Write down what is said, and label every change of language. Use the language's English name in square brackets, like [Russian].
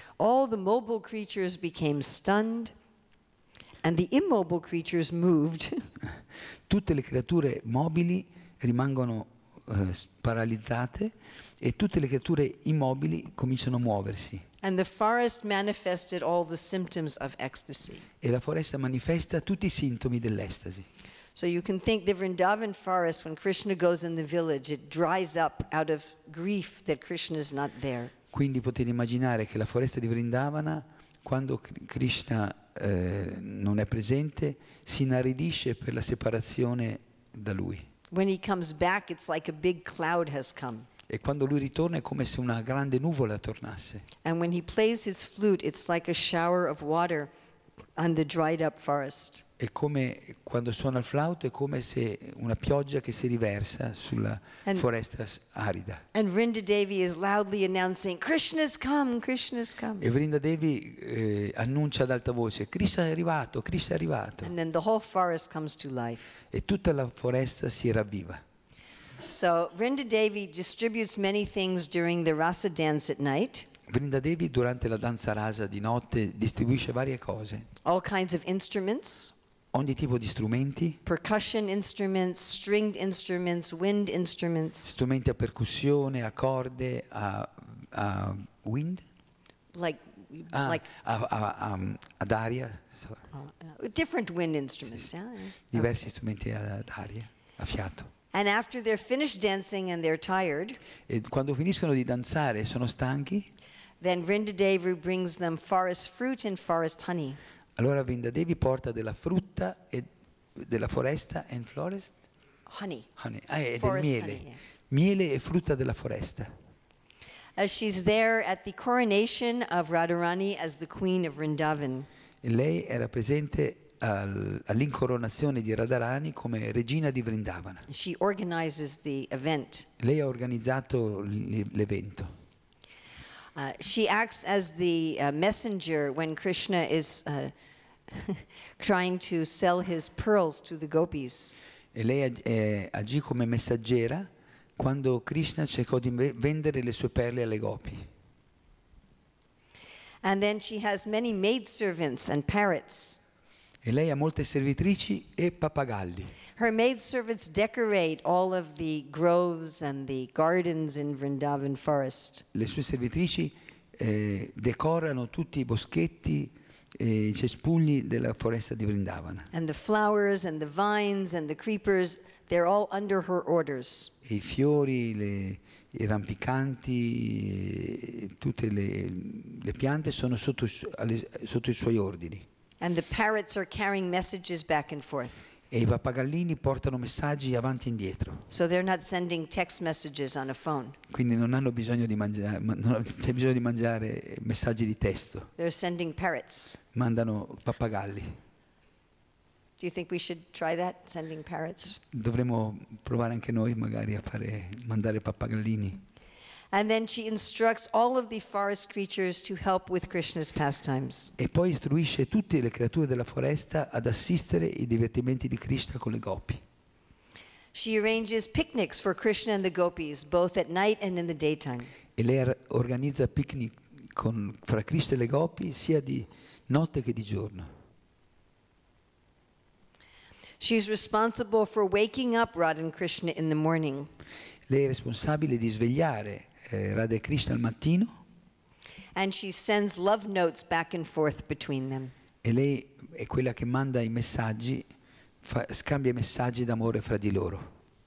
[English] All the mobile creatures became stunned, and the immobile creatures moved. [Italian] Tutte le creature mobili rimangono paralizzate e tutte le creature immobili cominciano a muoversi. [English] And the forest manifested all the symptoms of ecstasy. [Italian] E la foresta manifesta tutti i sintomi dell'estasi. [English] So you can think the Vrindavan forest, when Krishna goes in the village, it dries up out of grief that Krishna is not there. [Italian] Quindi potete immaginare che la foresta di Vrindavana, quando Krishna non è presente, si inaridisce per la separazione da lui. [English] When he comes back, it's like a big cloud has come. [Italian] E quando lui ritorna è come se una grande nuvola tornasse. [English] And when he plays his flute, it's like a shower of water on the dried up forest. [Italian] È come quando suona il flauto, è come se una pioggia che si riversa sulla foresta arida. [English] And Vrinda Devi is loudly announcing, Krishna's come, Krishna's come. [Italian] E Vrinda Devi annuncia ad alta voce, Krishna è arrivato, Krishna è arrivato. [English] And then the whole forest comes to life. [Italian] E tutta la foresta si ravviva. [English] So Vrinda Devi distributes many things during the Rasa dance at night. [Italian] Vrinda Devi durante la danza rasa di notte distribuisce varie cose. [English] All kinds of instruments. [Italian] Ogni tipo di strumenti. [English] Percussion instruments, stringed instruments, wind instruments. [Italian] Strumenti a percussione, a corde, a wind. Ad aria. [English] Different wind instruments. [Italian] Sì, sì. Diversi strumenti ad aria, a fiato. [English] And after they're finished dancing and they're tired. [Italian] E quando finiscono di danzare e sono stanchi. [English] Then Vrinda Devi brings them forest fruit and forest honey. [Italian] Allora Vrinda Devi porta della frutta e della foresta [English] and forest honey. Honey. [Italian] Ah, e del miele. [English] Honey, yeah. [Italian] Miele e frutta della foresta. [English] As she's there at the coronation of Radharani as the queen of Vrindavan. [Italian] E lei era presente all'incoronazione di Radharani come regina di Vrindavana. [English] She organizes the event. [Italian] Lei ha organizzato l'evento. [English] She acts as the messenger when Krishna is trying to sell his pearls to the gopis. [Italian] E lei agì come messaggera quando Krishna cercò di vendere le sue perle alle gopi. [English] And then she has many maidservants and parrots. [Italian] E lei ha molte servitrici e pappagalli. [English] Her maidservants decorate all of the groves and the gardens in Vrindavan forest. [Italian] Le sue servitrici decorano tutti i boschetti e i cespugli della foresta di Vrindavana. [English] And the flowers and the vines and the creepers, they're all under her orders. [Italian] E i fiori, i rampicanti, tutte le piante sono sotto i suoi ordini. [English] And the parrots are carrying messages back and forth. [Italian] E i pappagallini portano messaggi avanti e indietro. [English] So they're not sending text messages on a phone. [Italian] Quindi non hanno bisogno di mandare messaggi di testo. [English] They're sending parrots. [Italian] Mandano pappagalli. [English] Do you think we should try that, sending parrots? [Italian] Dovremmo provare anche noi magari a mandare pappagallini. [English] And then she instructs all of the forest creatures to help with Krishna's pastimes. [Italian] E poi istruisce tutte le creature della foresta ad assistere i divertimenti di Krishna con le gopi. [English] She arranges picnics for Krishna and the gopis, both at night and in the daytime. [Italian] E lei organizza picnic fra Krishna e le gopi sia di notte che di giorno. [English] She's responsible for waking up Radha and Krishna in the morning. [Italian] Lei è responsabile di svegliare Radha e Krishna al mattino. [English] And she sends love notes back and forth between them. [Italian] E lei è quella che manda i messaggi, scambia messaggi d'amore fra di loro.